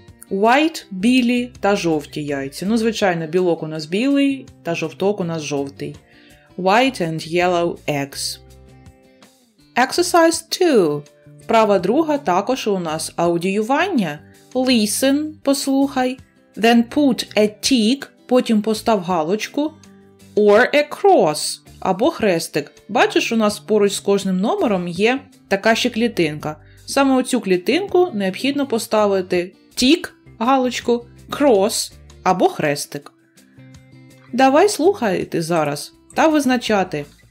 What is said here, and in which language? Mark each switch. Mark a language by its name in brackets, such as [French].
[Ukrainian] White – білі та жовті яйця. Ну, звичайно, білок у нас білий та жовток у нас жовтий. [English] White and yellow eggs. Exercise 2. [Ukrainian] Вправа друга також у нас аудіювання. Listen – послухай. [English] Then put a tick – [Ukrainian] потім постав галочку, [English] or a cross, [Ukrainian] або хрестик. Бачиш, у нас поруч з кожним номером є така ще клітинка. Саме оцю клітинку необхідно поставити тік, галочку, cross, або хрестик. Давай слухайте зараз та визначати.